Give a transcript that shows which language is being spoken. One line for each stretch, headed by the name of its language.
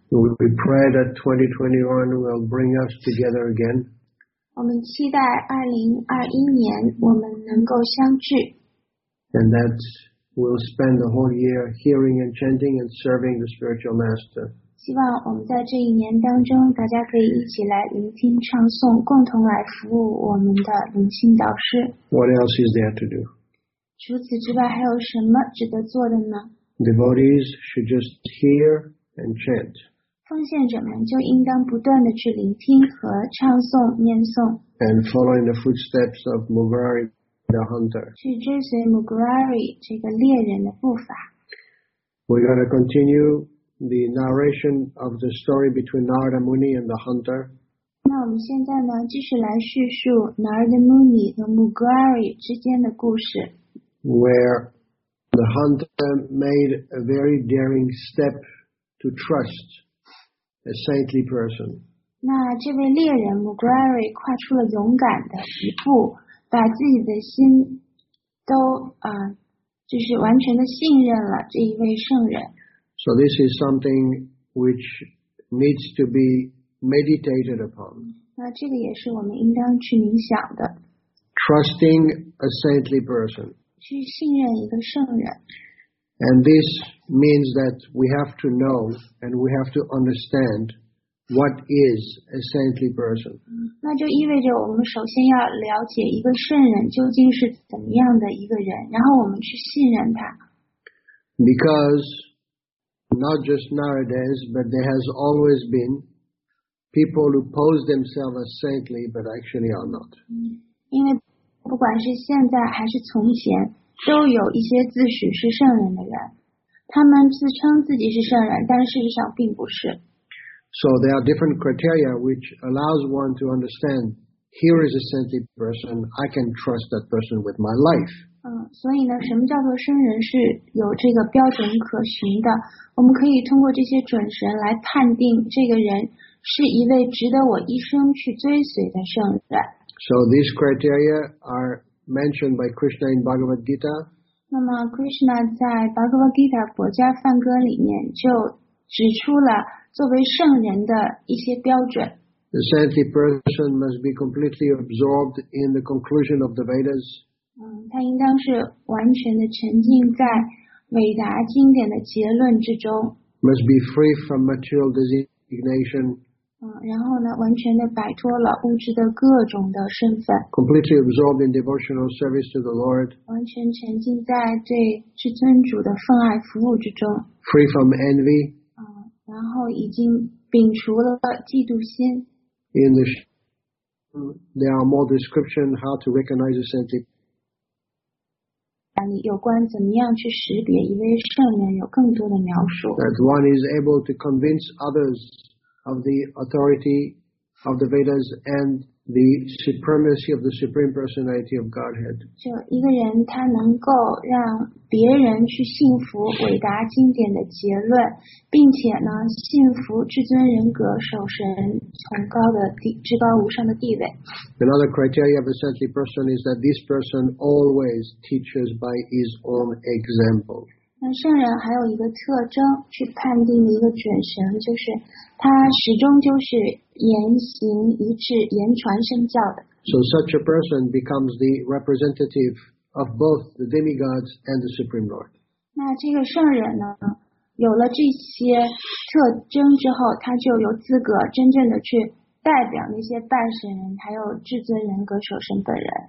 English: We pray that 2021 will bring us together again.
Chinese: 我们期待2021年我们能够相聚。
English: And that we'll spend the whole year hearing and chanting and serving the spiritual master.
Chinese: 希望我们在这一年当中大家可以一起来聆听唱诵，共同来服务我们的灵性导师。
English: What else is there to do?
Chinese: 除此之外还有什么值得做的呢？
English: Devotees should just hear and chant.
Chinese: 奉献者们就应当不断地去聆听和唱诵念诵
English: and follow in the footsteps of Mugrari the hunter
Chinese: 去追随 Mugrari 这个猎人的步伐。
English: We're going to continue the narration of the story between Narada Muni and the hunter
Chinese: 那我们现在呢继续来叙述 Narada Muni 和 Mugrari 之间的故事
English: where the hunter made a very daring step to trust a saintly person.
Chinese: 那这位猎人 Mugrari 跨出了勇敢的一步，把自己的心都就是完全的信任了这一位圣人。
English: So this is something which needs to be meditated upon.
Chinese: 那这个也是我们应当去冥想的。
English: Trusting a saintly person.
Chinese: 去信任一个圣人。
English: And this means that we have to know and we have to understand what is a saintly person.
Chinese: 那就意味着我们首先要了解一个圣人究竟是怎么样的一个人，然后我们去信任他。
English: Because not just nowadays, but there has always been people who pose themselves as saintly, but actually are not.
Chinese: 因为不管是现在还是从前都有一些自诩是圣人的人，他们自称自己是圣人，但事实上并不是。
English: So there are different criteria which allows one to understand here is a saintly person, I can trust that person with my life.
Chinese: 所以呢，什么叫做圣人是有这个标准可循的？我们可以通过这些准绳来判定这个人是一位值得我一生去追随的圣人。
English: So these criteria are. Mentioned by Krishna in Bhagavad Gita.
Chinese: 那么 Krishna 在 Bhagavad Gita 佛家梵歌里面就指出了作为圣人的一些标准。
English: The saintly person must be completely absorbed in the conclusion of the Vedas.
Chinese: 他应当是完全的沉浸在伟大经典的结论之中。
English: Must be free from material designation.
Chinese: 然后呢，完全的摆脱了物质的各种的身份。
English: Completely absorbed in devotional service to the Lord.
Chinese: 完全沉浸在对至尊主的奉爱服务之中。
English: Free from envy.
Chinese: 然后已经摒除了嫉妒心。
English: In the there are more description how to recognize a saint.
Chinese: 有关怎么样去识别一位圣人有更多的描述。
English: That one is able to convince others of the authority of the Vedas and the supremacy of the Supreme Personality of Godhead.
Chinese: 就一个人他能够让别人去信服伟大经典的结论，并且呢信服至尊人格守神崇高的至高无上的地位。
English: Another criteria of a saintly person is that this person always teaches by his own example.
Chinese: 那圣人还有一个特征去判定的一个准绳，就是他始终就是言行一致，言传身教的。
English: So such a person becomes the representative of both the demigods and the Supreme Lord.
Chinese: 那这个圣人呢，有了这些特征之后，他就有资格真正的去代表那些半神人，还有至尊人格守神本人。